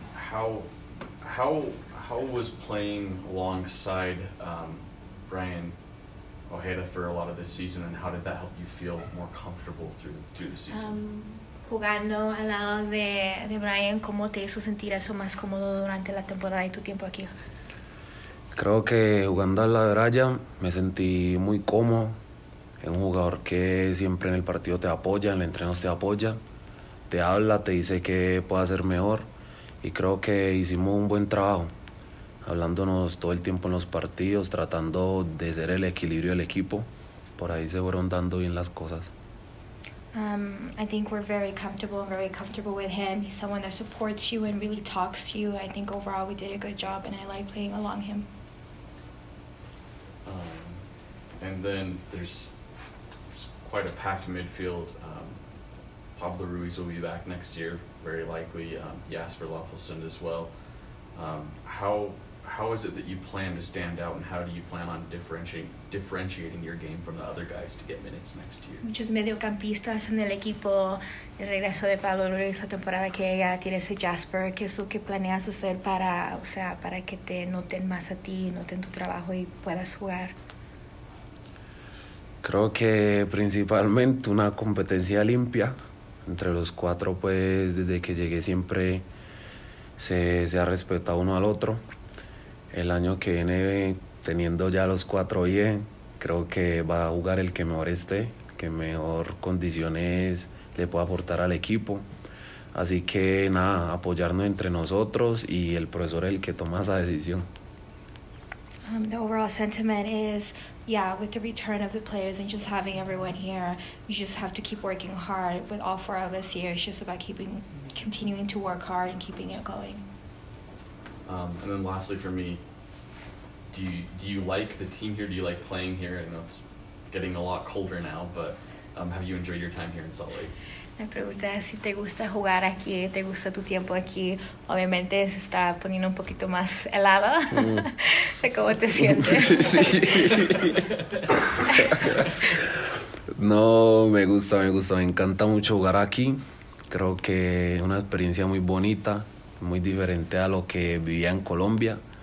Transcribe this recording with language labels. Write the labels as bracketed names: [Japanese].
[English] How was playing alongside Brian Ojeda for a lot of this season, and how did that help you feel more comfortable through the season? [Spanish] Jugando al lado de Brian, ¿cómo te hizo sentir eso más cómodo durante la temporada y tu tiempo aquí? Creo que jugando al lado de Brian me sentí muy cómodo. Es un jugador que siempre en el partido te apoya, en el entreno te apoya, te habla, te dice que puede hacer mejor, y creo que hicimos un buen trabajo hablándonos todo el tiempo en los partidos, tratando de ser el equilibrio del equipo. Por ahí se fueron dando bien las cosas. [English] I think we're very comfortable with him. He's someone that supports you and really talks to you. I think overall we did a good job and I like playing along him. And then there's quite a packed midfield. Pablo Ruiz will be back next year, very likely. Jasper Lofelson as well. How is it that you plan to stand out, and how do you plan on differentiating your game from the other guys to get minutes next year? [Spanish] Muchos mediocampistas en el equipo, el regreso de Pablo Ruiz esta temporada que ya tienes a Jasper, ¿qué es lo que planeas hacer para, o sea, para que te noten más a ti, noten tu trabajo y puedas jugar? Creo que principalmente una competencia limpia entre los cuatro, pues desde que llegué siempre se ha respetado uno al otro. El año que viene, teniendo ya los cuatro bien, creo que va a jugar el que mejor esté, el que mejor condiciones le pueda aportar al equipo. Así que nada, apoyarnos entre nosotros y el profesor es el que toma esa decisión. [English] The overall sentiment is, yeah, with the return of the players and just having everyone here, you just have to keep working hard with all four of us here. It's just about continuing to work hard and keeping it going. And then lastly for me, do you like the team here? Do you like playing here? I know it's getting a lot colder now, but have you enjoyed your time here in Salt Lake? [Spanish] Me preguntas si te gusta jugar aquí, te gusta tu tiempo aquí. Obviamente se está poniendo un poquito más helado de cómo te sientes. Sí. No, me gusta, me encanta mucho jugar aquí. Creo que es una experiencia muy bonita, muy diferente a lo que vivía en Colombia.